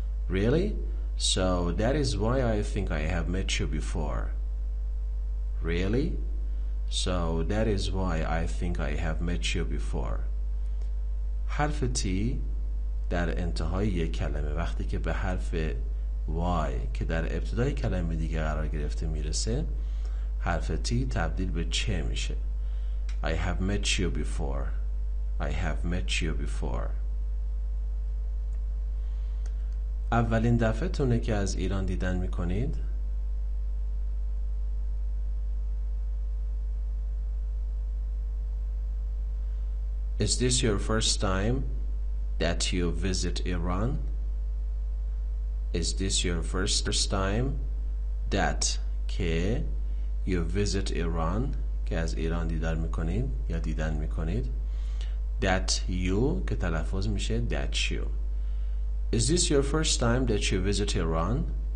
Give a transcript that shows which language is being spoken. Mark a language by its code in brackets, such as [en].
[en] Really? So that is why I think I have met you before. Really? So that is why I think I have met you before. [fa] حرف تی در انتهای یک کلمه وقتی که به حرف وای که در ابتدای کلمه دیگه قرار گرفته میرسه، حرف تی تبدیل به چه میشه. [en] I have met you before. I have met you before. [fa] اولین دفعه تونه که از ایران دیدن میکنید؟ [en] Is this your first time that you visit Iran? Is this your first time that you visit Iran? [fa] که از ایران دیدن میکنید یا دیدن میکنید. [en] That you [fa] که تلفظ میشه [en] that you. Is this your first time that you visit Iran?